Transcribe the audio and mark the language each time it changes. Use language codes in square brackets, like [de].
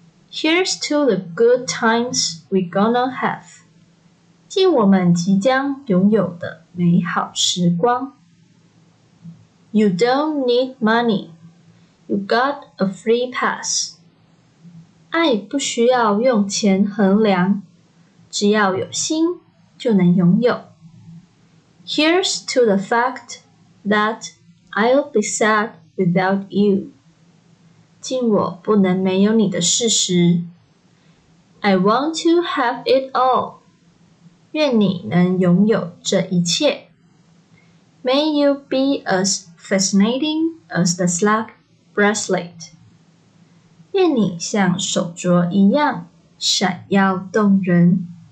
[en] Here's to the good times we gonna have. [zh] 敬我们即将拥有的美好时光。 [en] You don't need money. You got a free pass. [zh] 爱不需要用钱衡量，只要有心就能拥有。 [en] Here's to the fact that I'll be sad without you. [zh] 敬我不能没有你的事实。 [en] I want to have it all. [zh] 愿你能拥有这一切。 [en] May you be as fascinating as the slack bracelet. [zh] 愿你像手镯一样闪耀动人。